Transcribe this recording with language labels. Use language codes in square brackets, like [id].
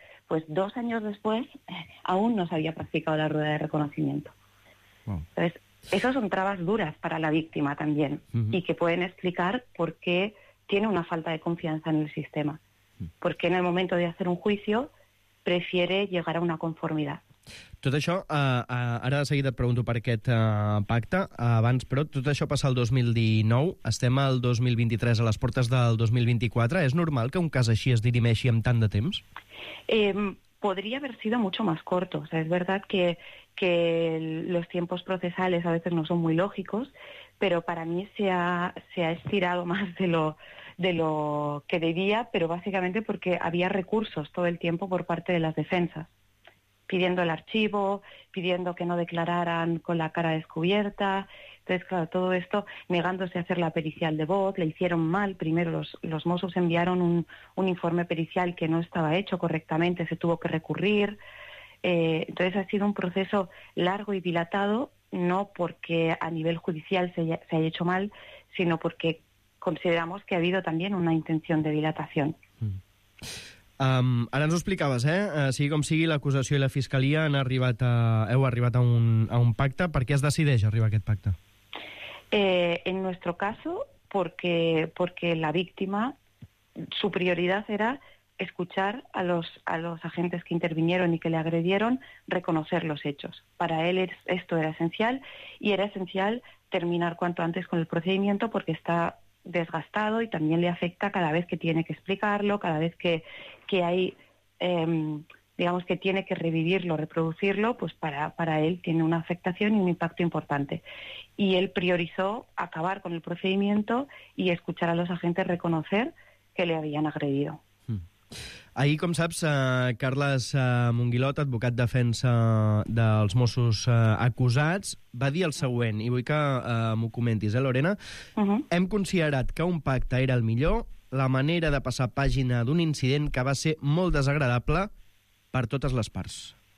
[es] Pues 2 años después, aún no se había practicado la rueda de reconocimiento. Wow. Entonces, esas son trabas duras para la víctima también, uh-huh, y que pueden explicar por qué tiene una falta de confianza en el sistema. Porque en el momento de hacer un juicio prefiere llegar a una conformidad. [ca] Tot això, ara de seguida et pregunto per aquest pacte, abans, però tot això passa el 2019, estem al 2023, a les portes del 2024. És normal que un cas així es dirimeixi amb tant de temps? [es] Podría haber sido mucho más corto. O sea, es verdad que los tiempos procesales a veces no son muy lógicos, pero para mí se ha estirado más de lo que debía, pero básicamente porque había recursos todo el tiempo por parte de las defensas, pidiendo el archivo, pidiendo que no declararan con la cara descubierta. Entonces, claro, todo esto, negándose a hacer la pericial de voz, le hicieron mal. Primero los Mossos enviaron un informe pericial que no estaba hecho correctamente, se tuvo que recurrir. Entonces ha sido un proceso largo y dilatado, no porque a nivel judicial se haya hecho mal, sino porque consideramos que ha habido también una intención de dilatación. [ca] Ara ens ho explicaves, sigui com sigui, l'acusació i la fiscalia heu arribat a un pacte. Per què es decideix arribar a aquest pacte? [es] En nuestro caso, porque la víctima, su prioridad era escuchar a los agentes que intervinieron y que le agredieron, reconocer los hechos. Para él esto era esencial, y era esencial terminar cuanto antes con el procedimiento porque está desgastado y también le afecta cada vez que tiene que explicarlo, cada vez que hay, digamos, que tiene que revivirlo, reproducirlo, pues para él tiene una afectación y un impacto importante. Y él priorizó acabar con el procedimiento y escuchar a los agentes reconocer que le habían agredido. [ca] Ahir, com saps, Carles Monguilot, advocat defensa dels Mossos acusats, va dir el següent, i vull que m'ho comentis, Lorena. Uh-huh. Hem considerat que un pacte era el millor, la manera de passar pàgina d'un incident que va ser molt desagradable per totes les parts.